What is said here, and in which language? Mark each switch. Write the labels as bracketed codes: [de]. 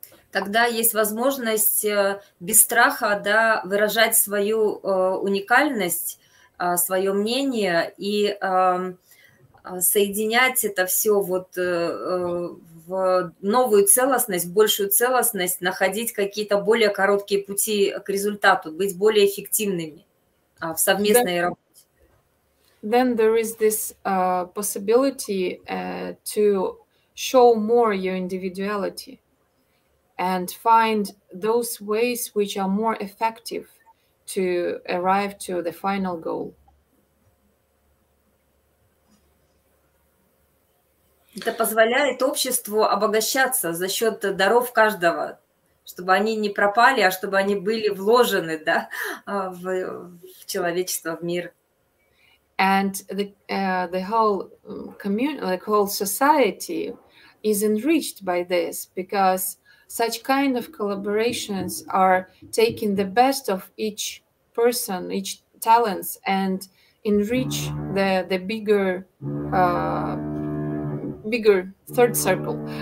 [ru] Тогда есть возможность без страха, да, выражать свою уникальность, свое мнение и соединять это все вот в новую целостность, в большую целостность, находить какие-то более короткие пути к результату, быть более эффективными в совместной работе. [en] Then there is this possibility to show more your individuality and find those ways which are more effective to arrive to the final goal. [ru] Это позволяет обществу обогащаться за счет даров каждого, чтобы они не пропали, а чтобы они были вложены, да, в человечество, в мир. [en] And the whole community, like whole society, is enriched by this because such kind of collaborations are taking the best of each person, each talents, and enrich the bigger bigger third circle.